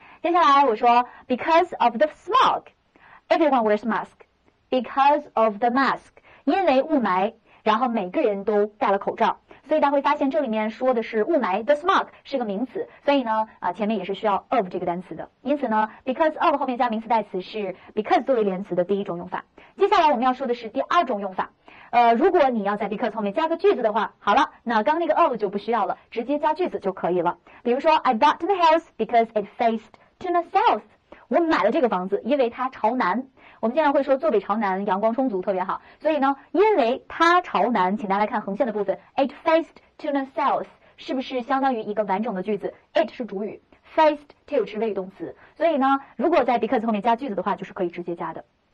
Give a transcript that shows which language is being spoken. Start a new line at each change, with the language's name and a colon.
Chinese: 接下来我说
English: because of the smog everyone wears mask， because of the mask
Chinese: 因为雾霾然后每个人都戴了口罩，所以大家会发现这里面说的是雾霾 the smog 是个名词，所以呢前面也是需要 of 这个单词的，因此呢 because of 后面加名词代词是 because 作为连词的第一种用法。接下来我们要说的是第二种用法，如果你要在 because 后面加个句子的话，好了，那刚那个 of 就不需要了，直接加句子就可以了。比如说
English: I bought the house because it faced to the south，
Chinese: 我买了这个房子因为它朝南。我们经常会说坐北朝南阳光充足特别好，所以呢因为它朝南，请大家来看横线的部分，
English: it faced to the south
Chinese: 是不是相当于一个完整的句子， it 是主语， faced to 是谓语动词，所以呢如果在 because 后面加句子的话就是可以直接加的。